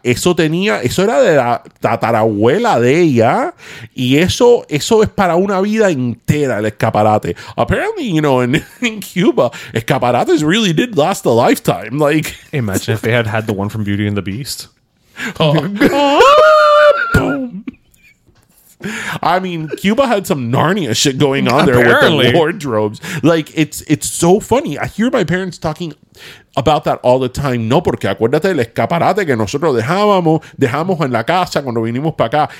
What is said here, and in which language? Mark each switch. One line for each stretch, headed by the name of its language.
Spanish: Eso tenía, eso era de la tatarabuela de ella. Y eso es para una vida entera, el escaparate.
English: Apparently, you know, in Cuba, escaparates really did last a lifetime. Like, imagine if they had the one from Beauty and the Beast. Boom. I mean, Cuba had some Narnia shit going on there. Apparently. With the wardrobes. Like, it's so funny. I hear my parents talking about that all the time.
Spanish: No, porque acuérdate el escaparate que nosotros dejamos en la casa cuando vinimos para acá.